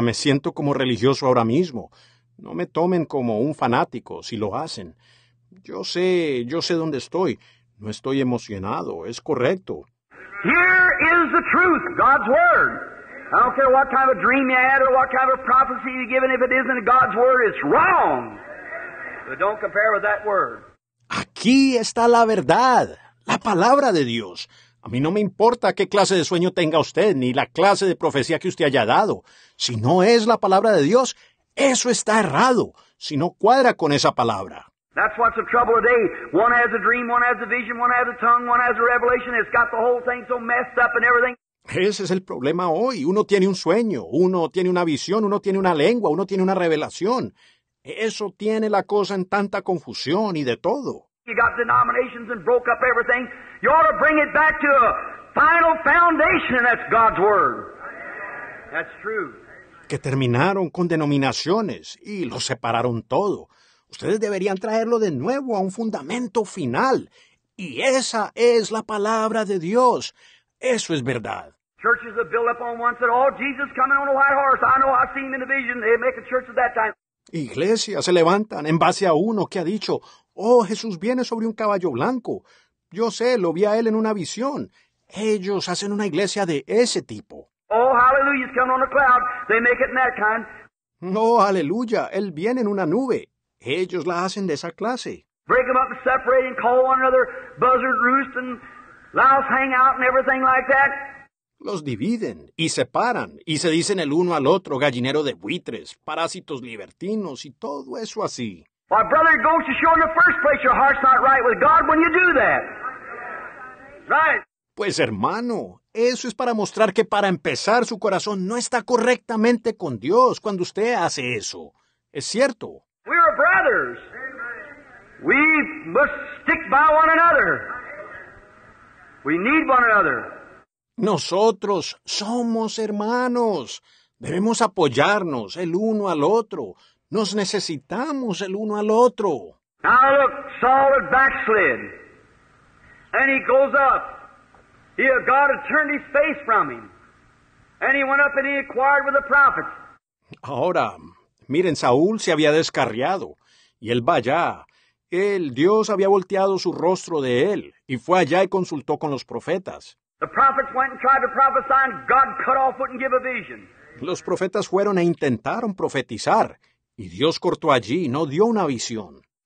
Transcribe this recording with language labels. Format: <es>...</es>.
<es>Me siento como religioso ahora mismo. No me tomen como un fanático si lo hacen. Yo sé dónde estoy. No estoy emocionado. Es correcto.</es> <en>Here is the truth, God's word. I don't care what kind of dream you had or what kind of prophecy you've given. If it isn't God's word, it's wrong. But don't compare with that word.</en> <es>Aquí está la verdad, la palabra de Dios. A mí no me importa qué clase de sueño tenga usted ni la clase de profecía que usted haya dado. Si no es la palabra de Dios, eso está errado. Si no cuadra con esa palabra.</es> <en>That's what's the trouble today. One has a dream, one has a vision, one has a tongue, one has a revelation. It's got the whole thing so messed up and everything.</en> <es>Ese es el problema hoy. Uno tiene un sueño, uno tiene una visión, uno tiene una lengua, uno tiene una revelación. Eso tiene la cosa en tanta confusión y de todo.</es> <en>You got denominations and broke up everything. You ought to bring it back to a final foundation, and that's God's word. That's true.</en> <es>Que terminaron con denominaciones y lo separaron todo. Ustedes deberían traerlo de nuevo a un fundamento final. Y esa es la palabra de Dios. Eso es verdad.</es> <en>Churches have built up on one said, oh, Jesus coming on a white horse. I know, I've seen him in a vision. They make a church at that time.</en> <es>Iglesias se levantan en base a uno que ha dicho, oh, Jesús viene sobre un caballo blanco. Yo sé, lo vi a él en una visión. Ellos hacen una iglesia de ese tipo.</es> <en>Oh, hallelujah, he's coming on a cloud. They make it in that kind.</en> <es>Oh, aleluya, él viene en una nube. Ellos la hacen de esa clase.</es> <en>Break them up and separate and call one another buzzard roost and louse hang out and everything like that.</en> <es>Los dividen y separan y se dicen el uno al otro gallinero de buitres, parásitos libertinos y todo eso así.</es> <en>Well, brother, it goes to show in the first place your heart's not right with God when you do that. Right.</en> <es>Pues hermano, eso es para mostrar que para empezar su corazón no está correctamente con Dios cuando usted hace eso. Es cierto.</es> <en>We are brothers. We must stick by one another. We need one another.</en> <es>Nosotros somos hermanos. Debemos apoyarnos el uno al otro. Nos necesitamos el uno al otro.</es> <en>Now look, Saul had backslid. And he goes up. God had turned his face from him. And he went up and he inquired with the prophets.</en> <es>Ahora, miren, Saúl se había descarriado. Y él va allá. El Dios había volteado su rostro de él. Y fue allá y consultó con los profetas.</es> <en>The prophets went and tried to prophesy and God cut off, wouldn't give a vision.</en> <es>Los profetas fueron e intentaron profetizar. Y Dios cortó allí y no dio una visión.</es>